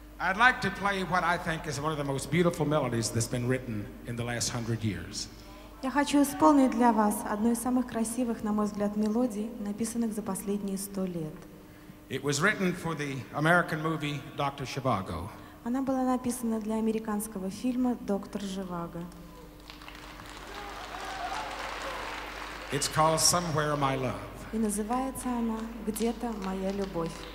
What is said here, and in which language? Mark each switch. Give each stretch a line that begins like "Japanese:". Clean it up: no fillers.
English: I'd like to play what I think is one of the most beautiful melodies that's been written in the last 100 years.
Russian: Я хочу исполнить для вас одну из самых красивых, на мой взгляд, мелодий, написанных за последние 100 лет.
English: It was written for the American movie Dr. Zhivago.
Russian: Она была написана для американского фильма «Доктор Живаго».
English: It's called Somewhere My Love.
Russian: И называется она «Где-то моя любовь».